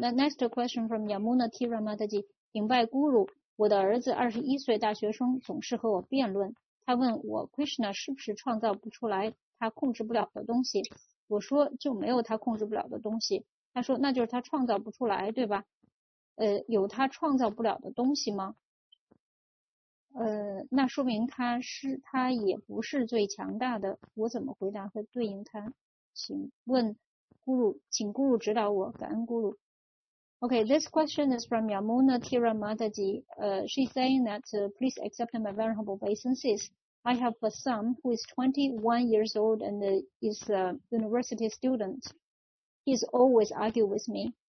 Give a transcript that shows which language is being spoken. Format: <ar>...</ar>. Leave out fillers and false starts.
<en>The next question from Yamuna T. Ramataji,</en> <zh>顶拜</zh> <en>Guru.</en> <zh>我的儿子21岁大学生总是和我辩论，他问我 Krishna 是不是创造不出来他控制不了的东西？我说就没有他控制不了的东西。他说那就是他创造不出来，对吧？有他创造不了的东西吗？那说明他也不是最强大的。我怎么回答会对应他？请问，请Guru指导我，感恩Guru。</zh> <en>Okay, this question is from Yamuna Tiramataji. She's saying that, please accept my vulnerable obeisances. I have a son who is 21 years old and is a university student. He's always argue with me.</en>